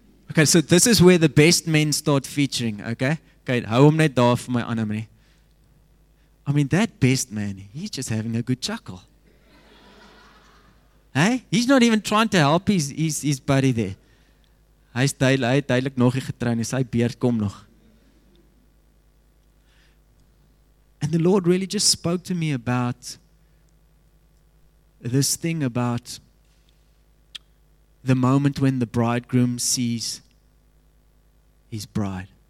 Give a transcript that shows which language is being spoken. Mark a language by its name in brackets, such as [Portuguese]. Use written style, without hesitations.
[English] Okay, so this is where the best men start featuring, okay? Okay, [Afrikaans] hou hom net daar vir my ander manie. [English] I mean, that best man, he's just having a good chuckle. Hey, he's not even trying to help his buddy there. [Afrikaans] Hy's duidelik nog nie getrein, sy beard kom nog. [English] And the Lord really just spoke to me about this thing about the moment when the bridegroom sees his bride.